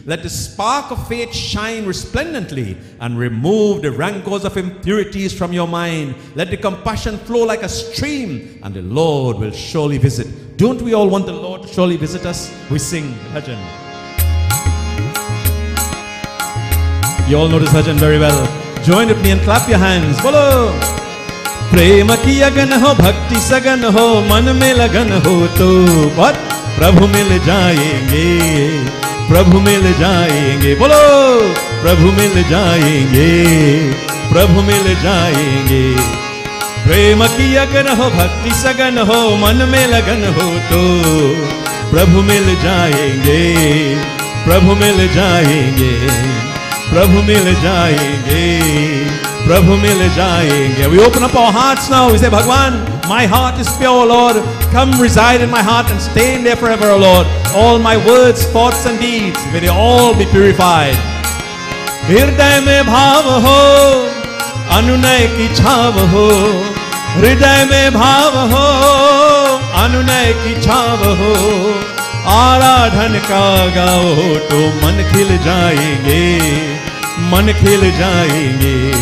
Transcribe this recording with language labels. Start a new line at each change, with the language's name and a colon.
English: Let the spark of faith shine resplendently and remove the rancors of impurities from your mind. Let the compassion flow like a stream, and the Lord will surely visit. Don't we all want the Lord to surely visit us? We sing bhajan. You all know this bhajan very well. Join with me and clap your hands. Follow.
Hindi: प्रेम की अगन हो भक्ति सगन हो मन में लगन हो तो पर प्रभु मिल जाएंगे प्रभु मिल जाएंगे बोलो प्रभु मिल जाएंगे प्रभु मिल जाएंगे प्रेम की अगन हो भक्ति सगन हो मन में लगन हो तो प्रभु मिल जाएंगे प्रभु मिल जाएंगे प्रभु मिल जाएंगे प्रभु मिल जाएंगे.
English: We open up our hearts now. We say, Bhagwan, my heart is pure, Lord. Come reside in my heart and stay in there forever, Lord. All my words, thoughts and deeds, may they all be purified.
Hindi: हृदय में भाव हो अनुनय की छाव हो हृदय में भाव हो अनुनय की छाव हो आराधन का गाओ तो मन खिल जाएंगे मन खिल जाएंगे